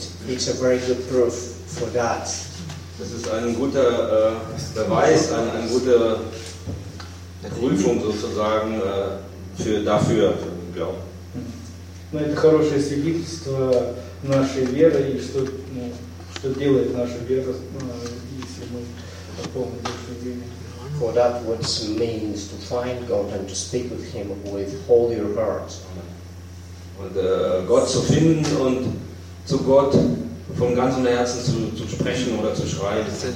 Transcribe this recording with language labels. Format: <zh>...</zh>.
<en>It's a very good proof for that.</en> <de>Das ist ein guter Beweis, ein guter Prüfung sozusagen dafür, glaube ich.</de> <ru>Ну, это хорошее свидетельство нашей веры и что, ну, что делает наша вера, если мы помним наше время.</ru> <en>For that what means to find God and to speak with Him with all your heart.</en> <de>Und Gott zu finden und zu Gott von ganzem Herzen zu sprechen oder zu schreien.</de>